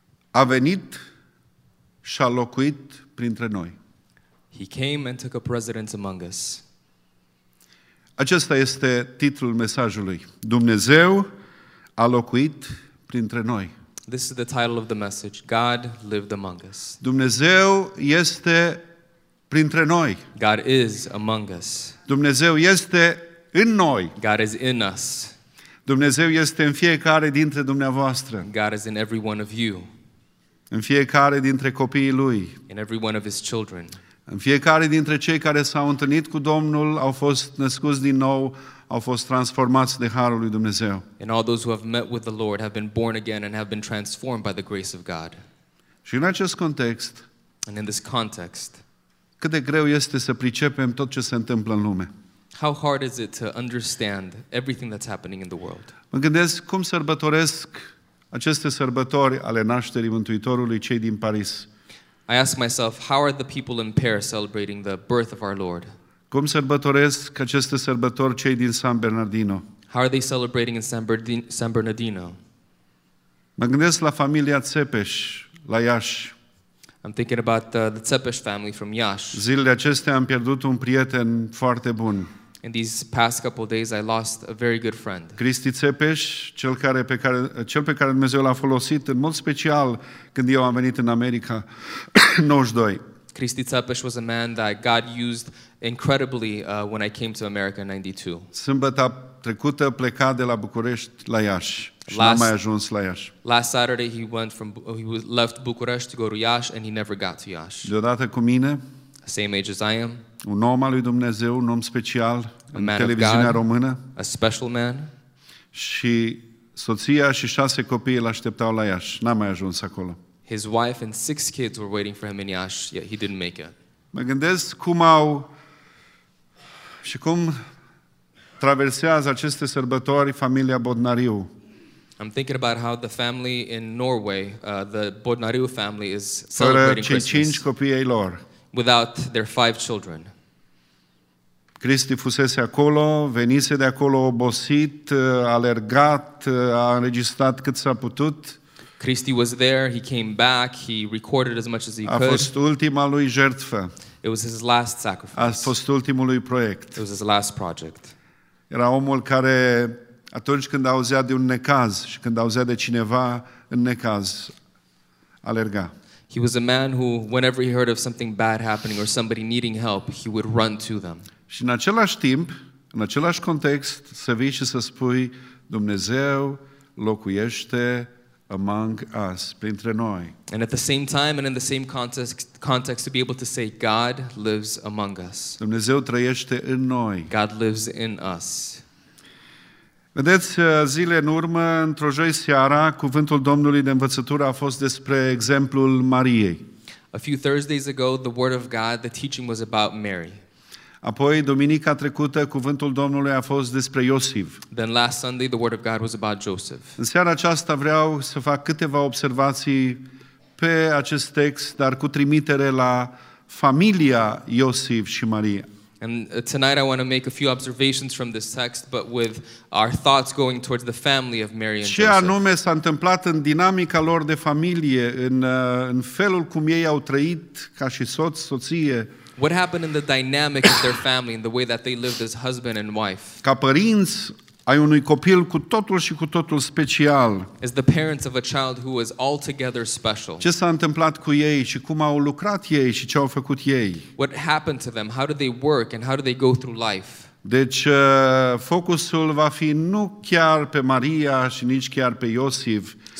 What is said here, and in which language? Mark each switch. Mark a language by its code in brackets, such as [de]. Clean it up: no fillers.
[ro] A venit și a locuit printre noi. [en] He came and took up residence among us. [ro] Acesta este titlul mesajului. Dumnezeu a locuit printre noi. [en] This is the title of the message. God lived among us. [ro] Dumnezeu este printre noi. [en] God is among us. [ro] Dumnezeu este în noi. [en] God is in us. [ro] Dumnezeu este în fiecare dintre dumneavoastră. [en] God is in every one of you. [ro] În fiecare dintre copiii lui. [en] In every one of his children. [ro] În fiecare dintre cei care s-au întâlnit cu Domnul, au fost născuți din nou, au fost transformați de harul lui Dumnezeu. [en] And all those who have met with the Lord have been born again and have been transformed by the grace of God. [ro] Și în acest context, [en] and in this context, [ro] cât de greu este să pricepem tot ce se întâmplă în lume. [en] How hard is it to understand everything that's happening in the world? [ro] Mă gândesc cum sărbătoresc aceste sărbători ale nașterii Mântuitorului cei din Paris. [en] I ask myself, how are the people in Paris celebrating the birth of our Lord? [ro] Cum sărbătoresc aceste sărbători cei din San Bernardino? [en] How are they celebrating in San Bernardino? [ro] Mă gândesc la familia Țepeș, la Iași. [en] I'm thinking about the Țepeș family from Iași. [ro] Zilele acestea am pierdut un prieten foarte bun. [en] In these past couple days I lost a very good friend. [ro] Cristi Țepeș, cel pe care Dumnezeu l-a folosit în mod special când eu am venit în America 92. [en] Cristi Țepeș was a man that God used incredibly when I came to America in 92. [ro] Sâmbătă trecută pleca de la București la Iași și n-a mai ajuns la Iași. [en] Last Saturday he left București to go to Iași and he never got to Iași. [ro] Deodată cu mine, [en] same age as I am. [ro] Un om al lui Dumnezeu, un om special în televiziunea română. [en] A special man. [ro] Și soția și 6 copii îl așteptau la Iași. N-a mai ajuns acolo. [en] His wife and 6 kids were waiting for him in Iași, yet he didn't make it. [ro] Mă gândesc cum au și cum traversează aceste sărbători familia Bodnariu. [en] I'm thinking about how the family in Norway, the Bodnariu family is celebrating Christmas. [ro] 5 copii ai lor. [en] Without their 5 children. [ro] Cristi fusese acolo, venise de acolo obosit, alergat, a înregistrat cât s-a putut. [en] Cristi was there, he came back, he recorded as much as he could. [ro] A fost ultima lui jertfă. [en] It was his last sacrifice. [ro] A fost ultimul lui proiect. [en] It was his last project. [ro] Era omul care atunci când auzea de un necaz și când auzea de cineva în necaz, alerga. [en] He was a man who, whenever he heard of something bad happening or somebody needing help, he would run to them. [ro] Și în același timp, în același context, să vii și să spui, Dumnezeu locuiește [en] among us, [ro] printre noi. [en] And at the same time and in the same context to be able to say God lives among us. [ro] Dumnezeu trăiește în noi. [en] God lives in us. [ro] Vedeți, zile în urmă, într-o joi seara, cuvântul Domnului de învățătură a fost despre exemplul Mariei. [en] A few Thursdays ago, the word of God, the teaching was about Mary. [ro] Apoi, duminica trecută, cuvântul Domnului a fost despre Iosif. [en] Then last Sunday, the word of God was about Joseph. [ro] În seara aceasta vreau să fac câteva observații pe acest text, dar cu trimitere la familia Iosif și Maria. [en] And tonight I want to make a few observations from this text, but with our thoughts going towards the family of Mary and Joseph. [ro] Ce anume s-a întâmplat în dinamica lor de familie, în felul cum ei au trăit ca și soț, soție. [en] What happened in the dynamic of their family, in the way that they lived as husband and wife? [ro] Ca părinți ai unui copil cu totul și cu totul special. [en] As the parents of a child who was altogether special. [ro] Ce s-a întâmplat cu ei și cum au lucrat ei și ce au făcut ei? [en] What happened to them? How did they work and how did they go through life? [ro] Deci focusul va fi nu chiar pe Maria și nici chiar pe Iosif.